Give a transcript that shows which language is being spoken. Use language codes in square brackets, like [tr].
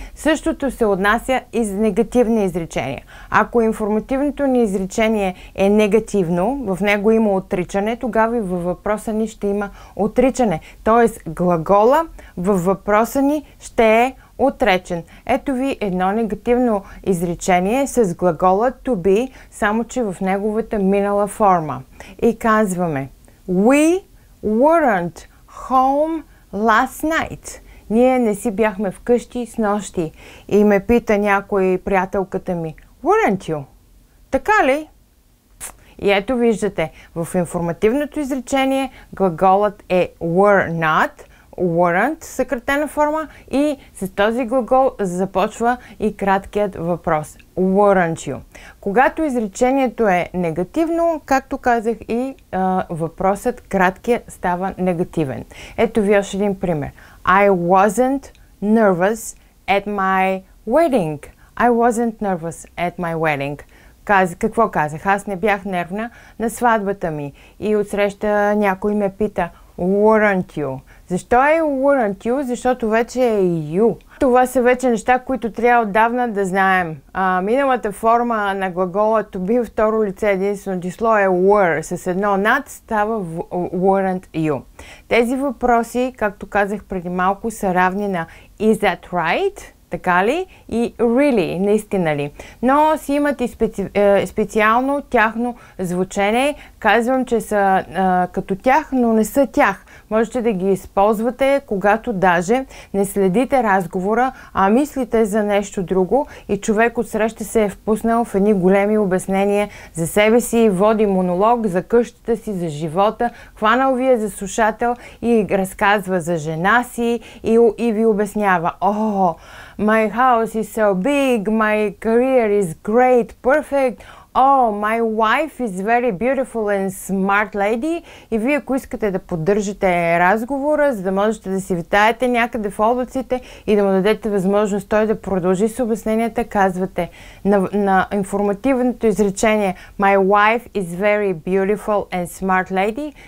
[bg] Същото се отнася и за негативни изречения. Ако информативното ни изречение е негативно, в него има отричане, тогава и във въпроса ни ще има отричане. Тоест глагола във въпроса ни ще е отречен. Ето ви едно негативно изречение с глагола to be, само че в неговата минала форма. И казваме [en] We weren't home last night. [bg] Ние не си бяхме вкъщи снощи. И ме пита някой приятелката ми [en] Weren't you? [bg] Така ли? И ето виждате, в информативното изречение глаголът е were not, weren't, съкратена форма, и с този глагол започва и краткият въпрос. [en] Weren't you? [bg] Когато изречението е негативно, както казах, и въпросът краткият става негативен. Ето ви още един пример. [en] I wasn't nervous at my wedding. I wasn't nervous at my wedding. [bg] Какво казах? Аз не бях нервна на сватбата ми. И отсреща някой ме пита [en] Weren't you? [bg] Защо е [en] weren't you? [bg] Защото вече е you. Това са вече неща, които трябва отдавна да знаем. Миналата форма на глагола to be второ лице единствено число е were. С едно not става [en] weren't you. [bg] Тези въпроси, както казах преди малко, са равни на [en] Is that right? [bg] така ли? И really, наистина ли? Но си имат и специално тяхно звучене. Казвам, че са като тях, но не са тях. Можете да ги използвате, когато даже не следите разговора, а мислите за нещо друго и човек отсреща се е впуснал в едни големи обяснения за себе си, води монолог за къщата си, за живота, хванал ви е за слушател и разказва за жена си и ви обяснява: [en] «Oh, my house is so big, my career is great, perfect. Oh, my wife is very beautiful and smart lady». [bg] И вие, ако искате да поддържате разговора, за да можете да си витаете някъде в облаците и да му дадете възможност той да продължи с обясненията, казвате на информативното изречение [en] «My wife is very beautiful and smart lady».